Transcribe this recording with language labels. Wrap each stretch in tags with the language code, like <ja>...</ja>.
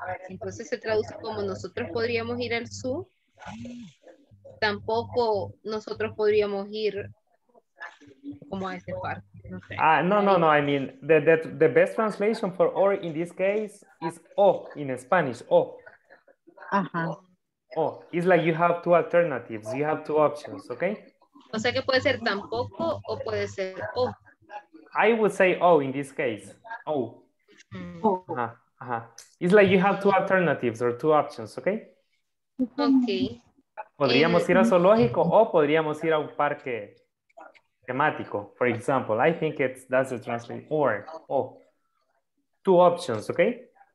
<es>Entonces se traduce como nosotros podríamos ir al zoo, tampoco nosotros podríamos ir como a ese parque.</es> <en>No, I mean, the best translation for or in this case is o in Spanish, o. Ajá. Oh, it's like you have two alternatives. You have two options, okay?</en> <es>O sea que puede ser tampoco o puede ser oh.</es> <en>I would say oh in this case. Oh. Oh. Uh-huh. It's like you have two alternatives or two options, okay? Okay.</en> <es>Podríamos ir a zoológico o podríamos ir a un parque temático,</es> <en>for example. I think that's the translation. Or, oh. Two options, okay?</en>